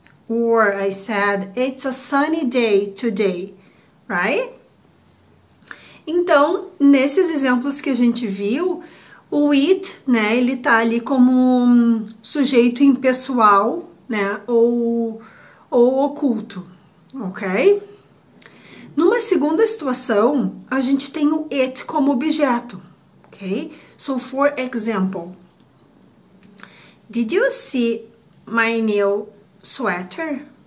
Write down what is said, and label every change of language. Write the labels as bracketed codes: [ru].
[en] Or I said, it's a sunny day today, right? [pt] Então, nesses exemplos que a gente viu, o it, né, ele tá ali como um sujeito impessoal, né, ou oculto, ok? Numa segunda situação, a gente tem o it como objeto, ok? [en] So, for example, did you see my new sweater?